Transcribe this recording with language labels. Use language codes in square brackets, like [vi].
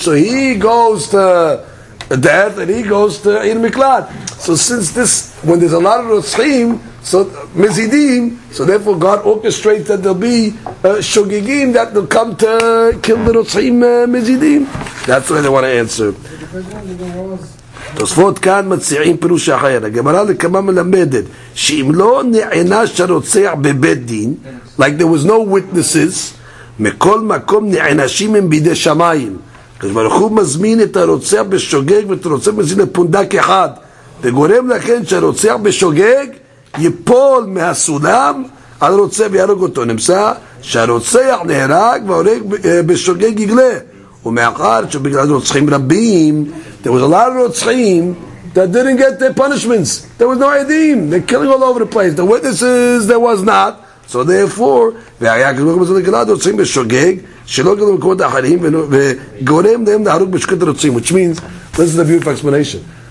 [en] So he goes to death and he goes to Ir Miklat. So since this, when there's a lot of Rotzchim, so mezidim, so therefore God orchestrates that there'll be shogigim that will come to kill the Rotzchim mezidim. That's what they want to answer. [he] תוספות כאן מציעים פירוש אחר. הגמרא לכמה מלמדת שאם לא נענש הרוצח בבית דין, [en] like there was no witnesses, [he] מכל מקום נענשים הם בידי שמיים. כבר הוא מזמין את הרוצח בשוגג ואת הרוצח מזמין לפונדק אחד, וגורם לכן שהרוצח בשוגג ייפול מהסולם על רוצח וירוג אותו. נמצא שהרוצח נהרג והורג בשוגג יגלה. ומאחר שבגלל רוצחים רבים, [en] there was a lot of Rotzchim that didn't get their punishments. There was no Edim. They're killing all over the place. The witnesses, there was not. So therefore, which means, this is a beautiful explanation.